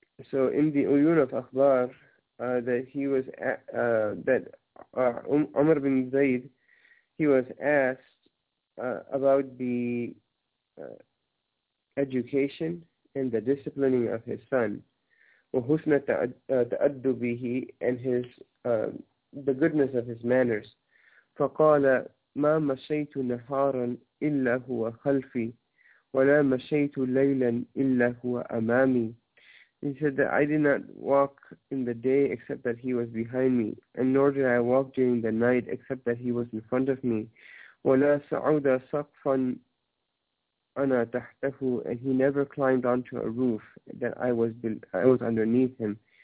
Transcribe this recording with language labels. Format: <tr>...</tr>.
<en>So in the Uyun of Akhbar, that he was at, that Umar bin Zayd, he was asked about the education and the disciplining of his son,</en> <ar>وحسن تأدبه,</ar> <en>and his the goodness of his manners.</en> <ar>فقال ما مشيت نهارا إلا هو خلفي ولا مشيت ليلا إلا هو أمامي.</ar> <en>He said that I did not walk in the day except that he was behind me, and nor did I walk during the night except that he was in front of me.</en> <ar>وَلَا سَعُودَ سَقْفًا أَنَا تَحْتَهُ</ar> <en>And he never climbed onto a roof that I was underneath him.</en>